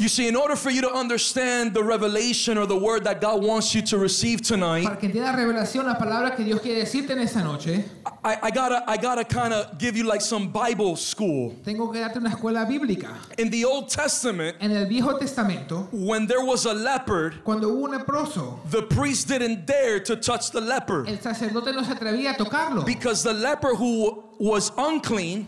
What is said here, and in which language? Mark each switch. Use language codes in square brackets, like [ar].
[en] You see, in order for you to understand the revelation or the word that God wants you to receive tonight, [es] para que entienda la revelación, la palabra que Dios quiere decirte en esta noche, [en] I gotta kind of give you like some Bible school. [es] Tengo que darte una escuela bíblica. [en] In the Old Testament, [es] en el Viejo Testamento, [en] when there was a leopard, [es] cuando hubo un leproso, [en] the priest didn't dare to touch the leper. [es] El sacerdote no se atrevía a tocarlo. [en] Because the leper who was unclean,